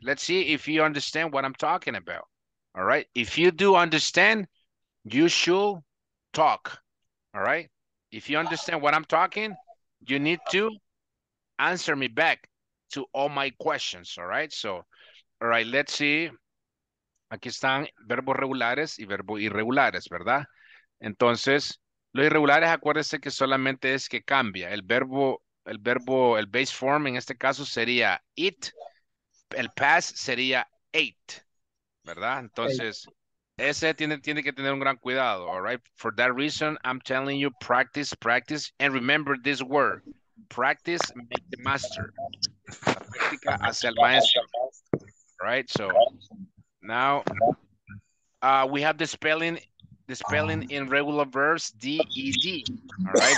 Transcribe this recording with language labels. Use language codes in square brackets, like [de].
[en] Let's see if you understand what I'm talking about. All right, if you do understand, you should talk. All right, if you understand what I'm talking, you need to answer me back to all my questions. All right, so, all right, let's see. [es] Aquí están verbos regulares y verbos irregulares, ¿verdad? Entonces, los irregulares, acuérdense que solamente es que cambia. El base form en este caso sería it, el past sería ate, ¿verdad? Entonces, ese tiene que tener un gran cuidado, [en] all right? For that reason, I'm telling you, practice, practice, and remember this word, practice make the master. [es] La práctica hace al maestro, [en] all right? So, now, we have the spelling. The spelling in regular verbs, D-E-D, all right?